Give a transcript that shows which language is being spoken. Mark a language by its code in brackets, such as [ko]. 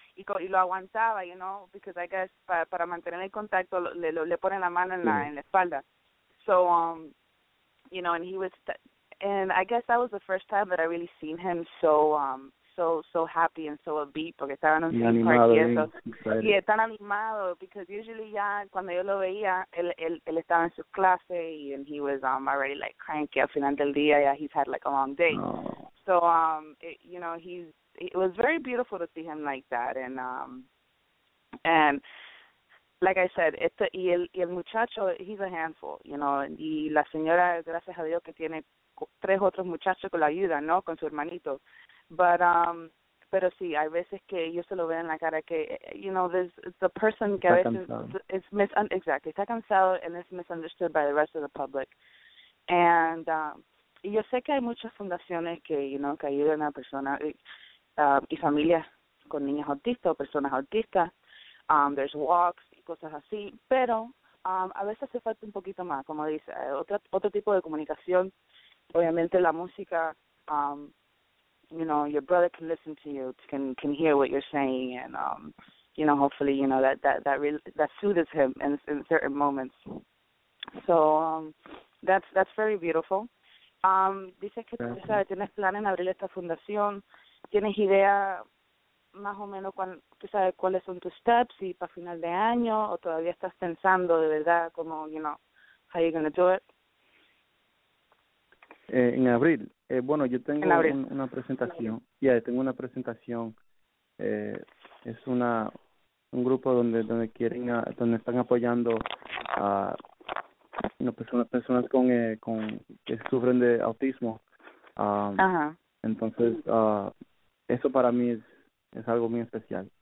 [es] Y lo aguantaba, you know, [en] because I guess [es] para mantener el contacto, le pone la mano en la espalda. [en] So, you know, and he was... And I guess that was the first time that I really seen him so happy and so upbeat [es] porque estaba en un y animado, y eso. Y tan animado, [en] because usually [es] ya cuando yo lo veía, él estaba en su clase [en] and he was already like cranky [es] al final del día. [en] Yeah, he's had like a long day. Oh. So it, you know, it was very beautiful to see him like that. And like I said, [es] y el muchacho, [en] he's a handful, you know. [es] Y la señora, gracias a Dios que tiene tres otros muchachos con la ayuda, ¿no? Con su hermanito. Pero sí, hay veces que yo se lo veo en la cara que, you know, [en] there's the person [es] está que a veces cansado. [en] Is exactly, [es] está cansado [en] and is misunderstood by the rest of the public. [es] And y yo sé que hay muchas fundaciones que, you know, que ayudan a personas y familias con niños autistas o personas autistas. [en] There's walks [es] y cosas así. Pero a veces hace falta un poquito más, como dice, otro tipo de comunicación. Obviamente la música, [en] you know, your brother can listen to you, can hear what you're saying, and you know, hopefully, you know, that soothes him in certain moments. So that's very beautiful. [es] Dices que tú sabes, tienes plan en abrir esta fundación, tienes idea más o menos tú sabes cuáles son tus steps y para final de año, o todavía estás pensando de verdad como, you know, [en] how you're gonna do it. [es] En abril, bueno, yo tengo una presentación, ya tengo una presentación, es un grupo donde quieren, donde están apoyando a personas con que sufren de autismo, entonces eso para mí es algo muy especial.